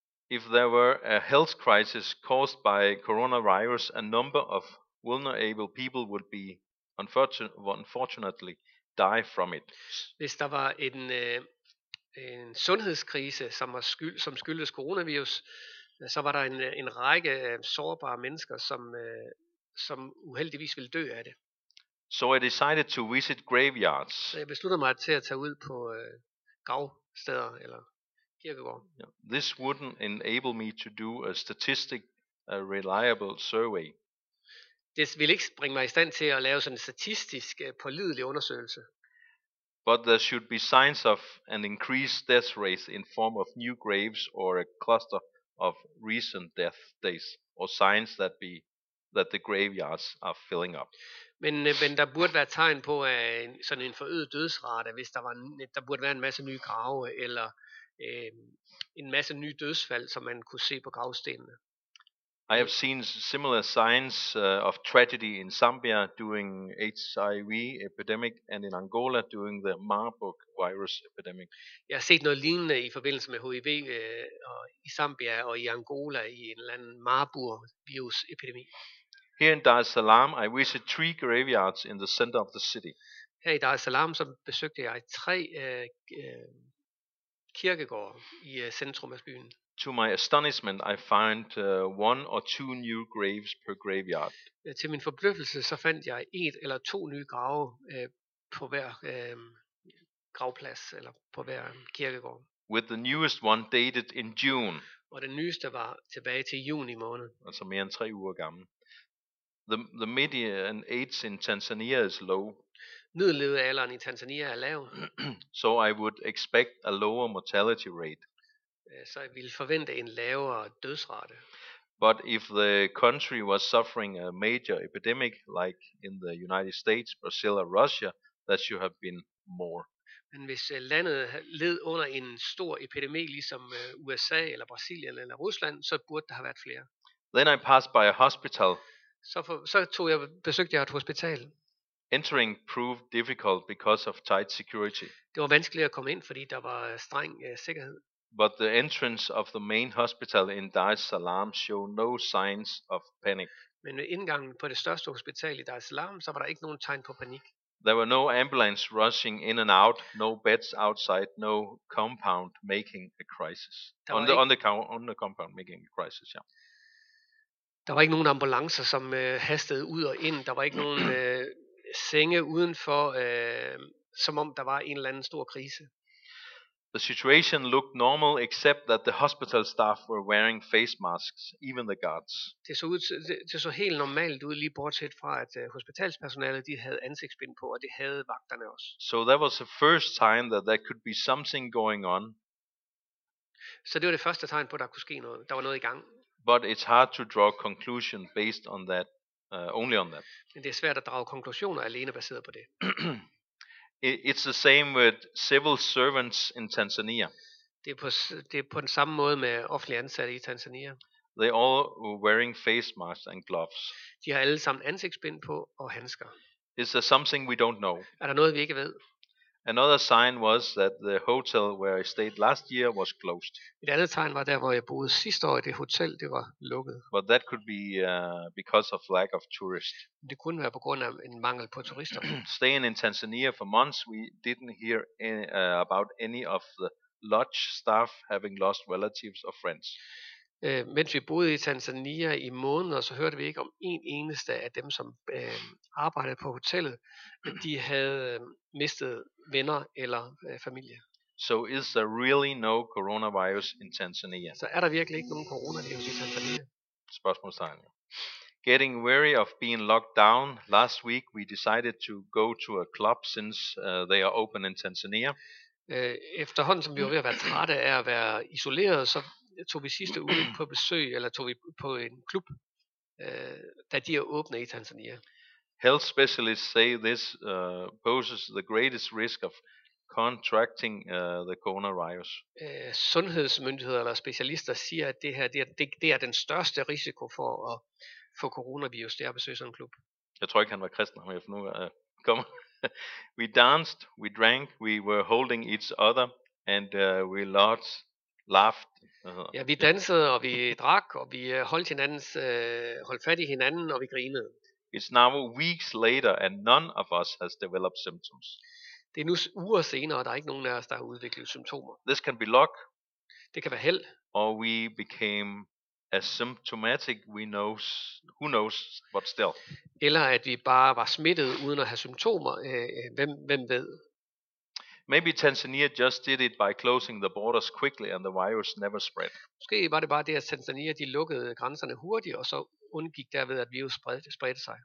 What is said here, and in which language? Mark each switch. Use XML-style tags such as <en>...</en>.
<en>If there were a health crisis caused by coronavirus, a number of vulnerable people would be unfortunately die from it.</en> <da>Hvis der var en sundhedskrise, som skyldes coronavirus, så var der en række sårbare mennesker, som uheldigvis ville dø af det.</da> <en>So I decided to visit graveyards.</en> <da>Så jeg besluttede mig til at tage ud på gravsteder eller kirkegård.</da> <en>Yeah. This wouldn't enable me to do a statistic a reliable survey.</en> <da>Det ville ikke bringe mig i stand til at lave sådan en statistisk pålidelig undersøgelse.</da> <en>But there should be signs of an increased death rate in form of new graves or a cluster of recent death days, or signs that the graveyards are filling up.</en> <da>Men der burde være tegn på sådan en forøget dødsrate, hvis der burde være en masse nye grave eller en masse nye dødsfald, som man kunne se på gravstenene.</da> <en>I have seen similar signs of tragedy in Zambia during HIV epidemic and in Angola during the Marburg virus epidemic.</en> <da>Jeg har set noget lignende i forbindelse med HIV og i Zambia og i Angola i en eller anden Marburg virus epidemi.</da> <en>Here in Dar es Salaam, I visited three graveyards in the center of the city.</en> <da>Her i Dar es Salaam så besøgte jeg tre kirkegårde i centrum af byen.</da> <en>To my astonishment, I found one or two new graves per graveyard.</en> <da>Til min forbløffelse så fandt jeg et eller to nye grave på hver gravplads eller på hver kirkegård.</da> <en>With the newest one dated in June.</en> <da>Og den nyeste var tilbage til juni måned. Altså mere end tre uger gammel.</da> <en>The median age in Tanzania is low.</en> <da>Middellevealderen i Tanzania er lav.</da> <en>So I would expect a lower mortality rate.</en> <da>Så jeg ville forvente en lavere dødsrate.</da> <en>But if the country was suffering a major epidemic like in the United States, Brazil or Russia, that should have been more.</en> <da>Men hvis landet led under en stor epidemi ligesom USA eller Brasilien eller Rusland, så burde der have været flere.</da> <en>Then I passed by a hospital.</en> <da>Så besøgte jeg et hospital.</da> <en>Entering proved difficult because of tight security.</en> <da>Det var vanskeligt at komme ind, fordi der var streng sikkerhed.</da> <en>But the entrance of the main hospital in Dar es Salaam showed no signs of panic.</en> <da>Men ved indgangen på det største hospital i Dar es Salaam, så var der ikke nogen tegn på panik.</da> <en>There were no ambulances rushing in and out, no beds outside, no compound making a crisis. On the compound making a crisis, yeah.</en> <da>Der var ikke nogen ambulancer, som hastede ud og ind. Der var ikke nogen senge udenfor, som om der var en eller anden stor krise.</da> <en>The situation looked normal except that the hospital staff were wearing face masks, even the guards.</en> <da>Det så helt normalt ud, lige bortset fra at hospitalspersonalet, de havde ansigtsbind på, og det havde vagterne også.</da> <en>So that was the first time that there could be something going on.</en> <da>Så det var det første tegn på, at der kunne ske noget. Der var noget i gang.</da> <en>But it's hard to draw conclusion based on that only on that.</en> <da>Men det er svært at drage konklusioner alene baseret på det.</da> <en>It's the same with civil servants in Tanzania.</en> <da>Det er på den samme måde med offentlige ansatte i Tanzania.</da> <en>They all wearing face masks and gloves.</en> <da>De har alle sammen ansigtsbind på og handsker.</da> <en>Is there something we don't know?</en> <da>Er der noget vi ikke ved?</da> <en>Another sign was that the hotel where I stayed last year was closed.</en> <da>Et andet tegn var der, hvor jeg boede sidste år, det hotel, det var lukket.</da> <en>But that could be because of lack of tourists.</en> <da>Det kunne være på grund af en mangel på turister.</da> <en>Staying in Tanzania for months, we didn't hear any, about any of the lodge staff having lost relatives or friends.</en> <da>Mens vi boede i Tanzania i måneder, så hørte vi ikke om en eneste af dem, som arbejdede på hotellet, at de havde mistet venner eller familie.</da> <en>So is there really no coronavirus in Tanzania?</en> <da>Så er der virkelig ikke nogen coronavirus i Tanzania? Spørgsmålstegn.</da> <en>Getting weary of being locked down, last week we decided to go to a club since they are open in Tanzania.</en> <da>Efterhånden som vi var ved at være trætte af at være isoleret, så tog vi sidste uge på besøg, eller tog vi på en klub, da de er åbne i Tanzania.</da> <en>Health specialists say this poses the greatest risk of contracting the coronavirus.</en> <da>Sundhedsmyndigheder eller specialister siger, at det her det er den største risiko for at få coronavirus, det er at besøge sådan en klub. Jeg tror ikke, han var kristen, men jeg får nu kommet.</da> <en>We danced, we drank, we were holding each other, and we laughed.</en> <da>Ja, vi dansede, og vi drak, og vi holdt hinandens holdt fat i hinanden, og vi grinede.</da> <en>It's now weeks later, and none of us has developed symptoms.</en> <da>Det er nu uger senere, og der er ikke nogen af os, der har udviklet symptomer.</da> <en>This can be luck.</en> <da>Det kan være held.</da> <en>Or we became asymptomatic, we knows, who knows, but still.</en> <da>Eller at vi bare var smittet uden at have symptomer, hvem ved.</da> <en>Maybe Tanzania just did it by closing the borders quickly and the virus never spread.</en> <da>Måske var det bare det, at Tanzania de lukkede grænserne hurtigt, og så undgik derved, at virus spredte sig.</da>